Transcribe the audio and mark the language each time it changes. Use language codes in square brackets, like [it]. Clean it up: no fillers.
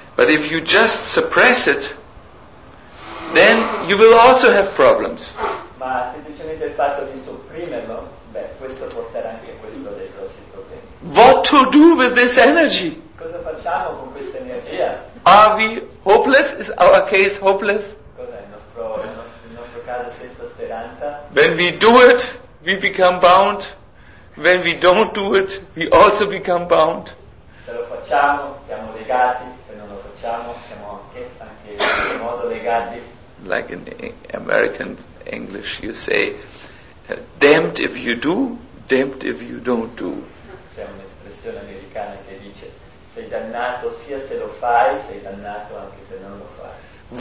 [en] But if you just suppress it, then you will also have problems. [it] Ma semplicemente il fatto di sopprimerlo, questo porterà anche questo dei grossi problemi. [en] What to do with this energy? [it] Cosa facciamo con questa energia? [en] Are we hopeless? Is our case hopeless? [it] Cos'è il nostro caso senza speranza? [en] When we do it, we become bound. When we don't do it, we also become bound. [it] Se lo facciamo, siamo legati. Se non lo facciamo, siamo anche in modo legati. [en] Like in American English, you say, damned if you do, damned if you don't do. [it] C'è un'espressione americana che dice, sei dannato sia se lo fai, sei dannato anche se non lo fai.